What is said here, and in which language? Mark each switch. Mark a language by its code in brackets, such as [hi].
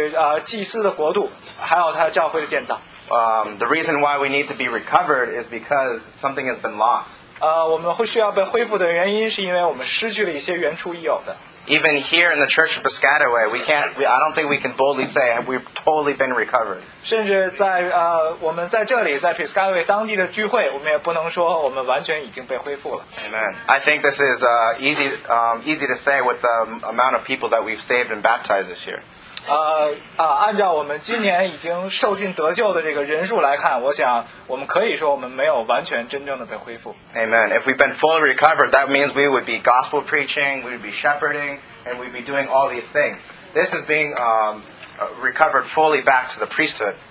[zh] 我对这些分享是因为这次聚会的主题是讲到主的恢复与祭司的国度，还有他教会的建造。 [en] The reason why we need to be recovered is because something has been lost. [zh] 我们会需要被恢复的原因是因为我们失去了一些原初已有的。 [en] Even here in the Church of Piscataway, I don't think we can boldly say we've totally been recovered. [zh] 甚至在我们在这里，在 Piscataway 当地的聚会，我们也不能说我们完全已经被恢复了。Amen. [en] I think this is easy to say with the amount of people that we've saved and baptized this year. [zh] 按照我们今年已经受尽得救的这个人数来看，我想我们可以说我们没有完全真正的被恢复。Amen. [en] If we've been fully recovered, that means we would be gospel preaching, we would be shepherding, and we'd be doing all these things. This is being recovered fully back to the priesthood.